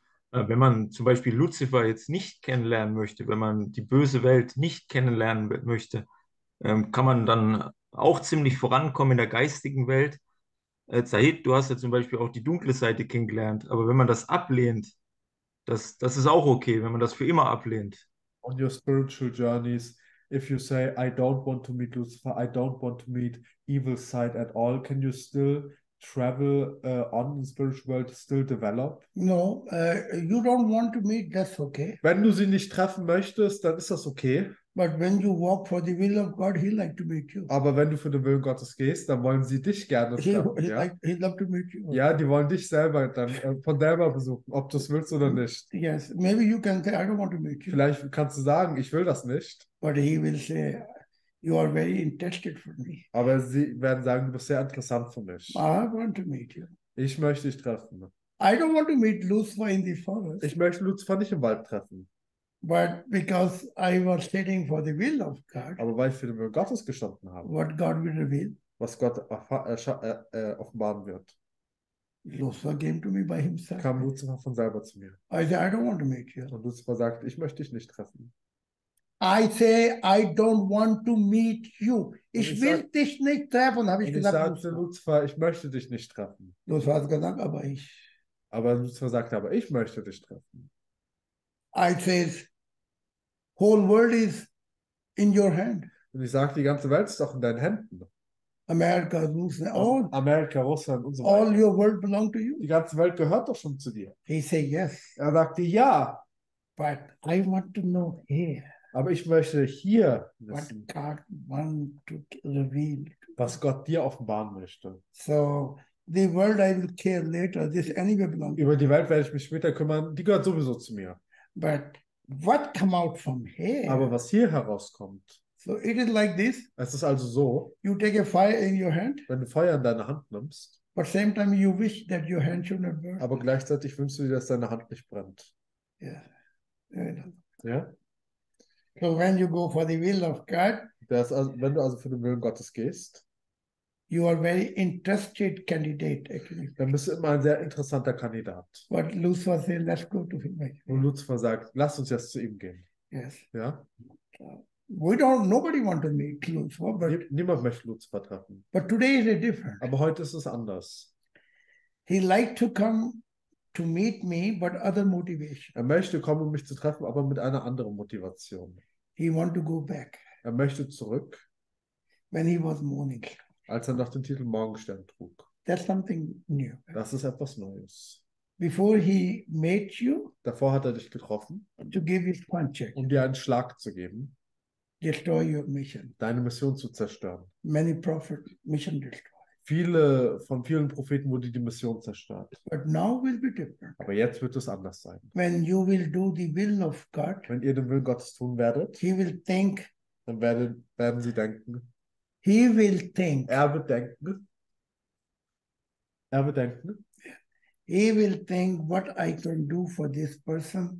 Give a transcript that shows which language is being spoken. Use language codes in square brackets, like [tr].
[de] Wenn man zum Beispiel Luzifer jetzt nicht kennenlernen möchte, wenn man die böse Welt nicht kennenlernen möchte, kann man dann auch ziemlich vorankommen in der geistigen Welt. Zahid, du hast ja zum Beispiel auch die dunkle Seite kennengelernt, aber wenn man das ablehnt, das ist auch okay, wenn man das für immer ablehnt. [en] On your spiritual journeys, if you say, I don't want to meet Lucifer, I don't want to meet evil side at all, can you still travel on the spiritual world, still develop? No, you don't want to meet, that's okay. [de] Wenn du sie nicht treffen möchtest, dann ist das okay. [en] But when you walk for the will of God, he'll like to meet you. [de] Aber wenn du für den Willen Gottes gehst, dann wollen sie dich gerne treffen. [en] He'll love to meet you. [de] Ja, die wollen dich selber dann von selber besuchen, ob du es willst oder nicht. [en] Yes, maybe you can say, I don't want to meet you. [de] Vielleicht kannst du sagen, ich will das nicht. [en] But he will say, you are very interested for me. [de] Aber sie werden sagen, du bist sehr interessant für mich. [en] I want to meet you. [de] Ich möchte dich treffen. [en] I don't want to meet Lucifer in the forest. [de] Ich möchte Lucifer nicht im Wald treffen. [en] But because I was standing for the will of God. [de] Aber weil ich für den Willen Gottes gestanden habe. [en] What God will reveal. [de] Was Gott offenbaren wird. [en] Lucifer came to me by himself. [de] Kam Lucifer von selber zu mir. [en] I said, I don't want to meet you. [de] Und Lucifer sagt, ich möchte dich nicht treffen. [en] I say, I don't want to meet you. [de] Ich will dich nicht treffen, habe ich gesagt. Ich sagte Lucifer, ich möchte dich nicht treffen. Lucifer hat gesagt, aber ich. Aber Lucifer sagte, aber ich möchte dich treffen. [en] I say, whole world is in your hand. [de] Und ich sagte, die ganze Welt ist doch in deinen Händen. [en] America, Russland, all. [de] Amerika, Russland und so weiter. [en] All your world belong to you. [de] Die ganze Welt gehört doch schon zu dir. [en] He say, yes. [de] Er sagte, ja. [en] But I want to know here. [de] Aber ich möchte hier wissen, [en] what God want to reveal. [de] Was Gott dir offenbaren möchte. [en] So, the world I will care later. This anyway belongs. [de] Über die Welt werde ich mich später kümmern. Die gehört sowieso zu mir. [en] But what come out from here? [de] Aber was hier herauskommt. [en] So it is like this. [de] Es ist also so. [en] You take a fire in your hand. [de] Wenn du Feuer in deine Hand nimmst. [en] But same time you wish that your hand should not burn. [de] Aber gleichzeitig wünschst du dir, dass deine Hand nicht brennt. [en] Yeah. [de] Ja. [en] So when you go for the will of God, [de] das also, wenn du also für den Willen Gottes gehst, [en] you are very interested candidate actually. [de] Dann bist du immer ein sehr interessanter Kandidat. [en] But Lucifer say, let's go to him. [de] Und Lucifer sagt, lass uns jetzt zu ihm gehen. [en] Yes. [de] Ja. [en] We don't. Nobody want to meet Lucifer. But [de] niemand möchte Lucifer treffen. [en] But today is different. [de] Aber heute ist es anders. [en] He liked to come to meet me, but other motivation. [de] Er möchte kommen, um mich zu treffen, aber mit einer anderen Motivation. [en] He want to go back. [de] Er möchte zurück. [en] When he was mourning. [de] Als er noch den Titel Morgenstern trug. [en] That's something new. [de] Das ist etwas Neues. [en] Before he met you. [de] Davor hat er dich getroffen. [en] To give his coin check. [de] Um dir einen Schlag zu geben. [en] Destroy your mission. [de] Deine Mission zu zerstören. [en] Many prophet mission destroyed. [de] Viele von vielen Propheten wurde die Mission zerstört. [en] But now will be different. [de] Aber jetzt wird es anders sein. [en] When you will do the will of God. [de] Wenn ihr den Willen Gottes tun werdet. [en] He will think. [de] Dann werden sie denken. [en] He will think. [de] Er wird denken. Er wird denken. [en] He will think what I can do for this person.